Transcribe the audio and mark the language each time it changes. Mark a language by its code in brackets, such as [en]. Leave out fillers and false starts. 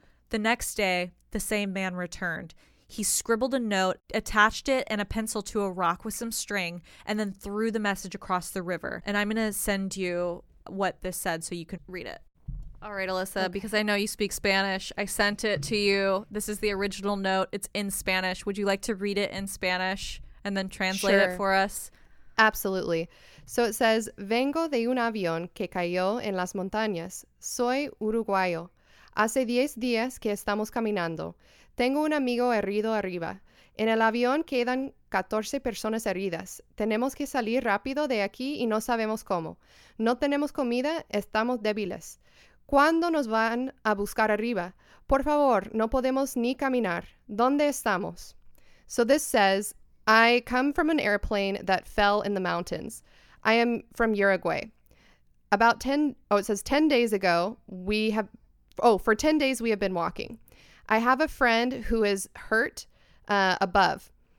[en] The next day, the same man returned. He scribbled a note, attached it and a pencil to a rock with some string, and then threw the message across the river. And I'm going to send you what this said so you can read it. All right, Alyssa, because I know you speak Spanish, I sent it to you. This is the original note. It's in Spanish. Would you like to read it in Spanish and then translate it for us? Absolutely. So it says, [es] "Vengo de un avión que cayó en las montañas. Soy uruguayo. Hace 10 días que estamos caminando. Tengo un amigo herido arriba. En el avión quedan 14 personas heridas. Tenemos que salir rápido de aquí y no sabemos cómo. No tenemos comida. Estamos débiles. ¿Cuándo nos van a buscar arriba? Por favor, no podemos ni caminar. ¿Dónde estamos?" [en] So this says, "I come from an airplane that fell in the mountains. I am from Uruguay. For 10 days we have been walking. I have a friend who is hurt above.